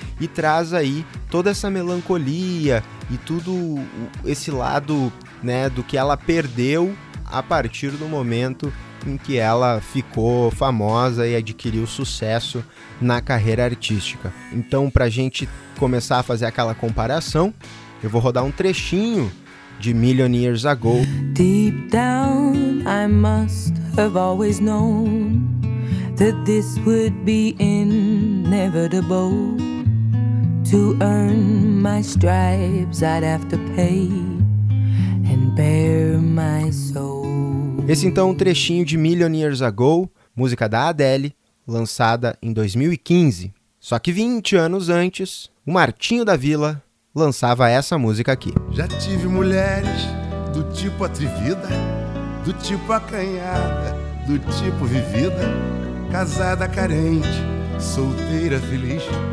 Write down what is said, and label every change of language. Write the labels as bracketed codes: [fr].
[pt] E traz aí toda essa melancolia e tudo esse lado, né, do que ela perdeu a partir do momento em que ela ficou famosa e adquiriu sucesso na carreira artística. Então, pra gente começar a fazer aquela comparação, eu vou rodar um trechinho de Million Years Ago. [en] Deep down, I must have always known that this would be inevitable. To earn my stripes, I'd have to pay and bear my soul. [pt] Esse então é um trechinho de Million Years Ago, música da Adele, lançada em 2015. Só que 20 anos antes, o Martinho da Vila lançava essa música aqui. Já tive mulheres do tipo atrevida, do tipo acanhada, do tipo vivida, casada carente, solteira feliz.